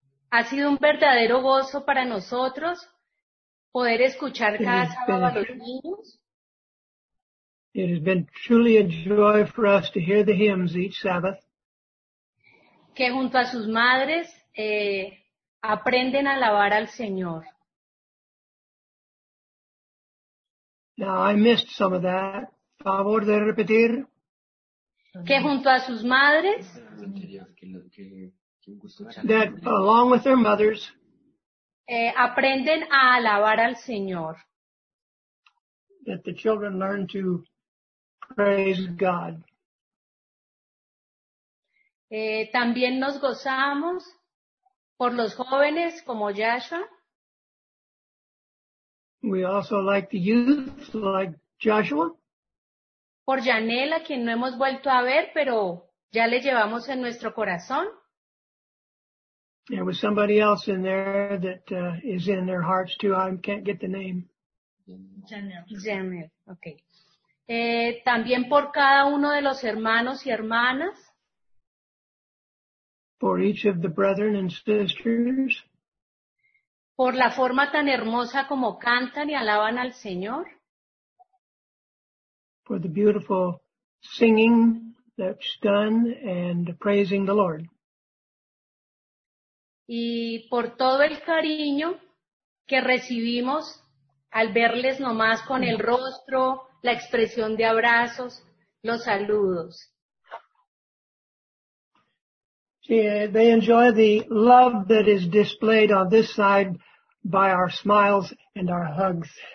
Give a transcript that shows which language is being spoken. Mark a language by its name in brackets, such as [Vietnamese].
[Spanish] Ha sido un verdadero gozo para nosotros poder escuchar cada sábado a los niños. [English] It has been truly a joy for us to hear the hymns each Sabbath. [Spanish] Que junto a sus madres aprenden a alabar al Señor. [English] Now I missed some of that. [Spanish] Favor de repetir. Que junto a sus madres. [English] That along with their mothers [Spanish] aprenden a alabar al Señor. [English] That the children learn to praise God. [Spanish] También nos gozamos por los jóvenes como Joshua. [English] We also like the youth like Joshua. [Spanish] Por Janela, quien no hemos vuelto a ver, pero ya le llevamos en nuestro corazón. [English] There was somebody else in there that is in their hearts too. I can't get the name. Janel. Okay. [Spanish] También por cada uno de los hermanos y hermanas. [English] For each of the brethren and sisters. [Spanish] Por la forma tan hermosa como cantan y alaban al Señor. [English] For the beautiful singing that's done and praising the Lord. [Spanish] Y por todo el cariño que recibimos al verles nomás con el rostro, la expresión de abrazos, los saludos. [English] Sí, they enjoy the love that is displayed on this side by our smiles and our hugs.